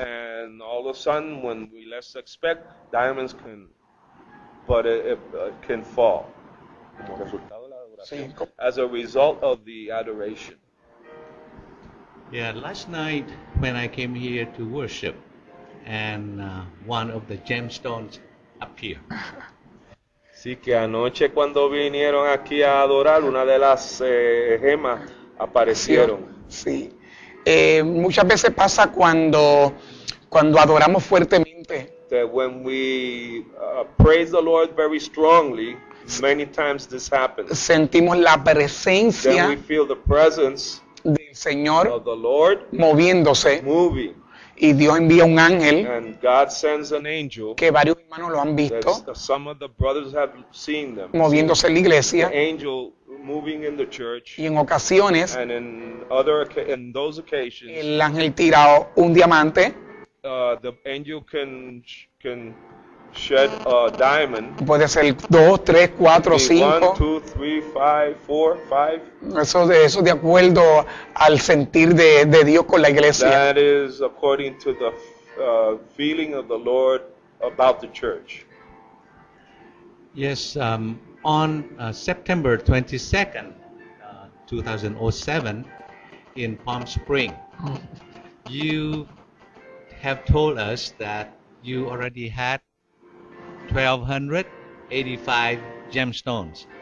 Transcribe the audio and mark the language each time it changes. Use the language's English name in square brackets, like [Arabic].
[English] And all of a sudden, when we less expect, diamonds can, but it can fall. [Spanish] Como resultado de la adoración. [English] As a result of the adoration. Yeah, last night when I came here to worship, and one of the gemstones appeared. [Spanish] Sí, que anoche cuando vinieron aquí a adorar, una de las gemas aparecieron. Sí. Muchas veces pasa cuando adoramos fuertemente. [English] That when we praise the Lord very strongly, many times this happens. [Spanish] Sentimos la presencia. [English] Then we feel the presence [Spanish] del Señor [English] of the Lord [Spanish] moviéndose, [English] moving, [Spanish] y Dios envía un ángel, [English] and God sends an angel, [Spanish] que varios hermanos lo han visto, [English] some of the brothers have seen them, [Spanish] moviéndose en la iglesia, [English] the angel moving in the church, [Spanish] y en ocasiones, [English] and in other, in those occasions, [Spanish] el ángel tira un diamante, [English] the angel can shed a diamond, [Spanish] puede ser 2, 3, 4, 5, eso de acuerdo al sentir de Dios con la iglesia. [English] That is according to the feeling of the Lord about the church. Yes, on September 22nd, 2007 in Palm Springs. You have told us that you already had 1,285 gemstones.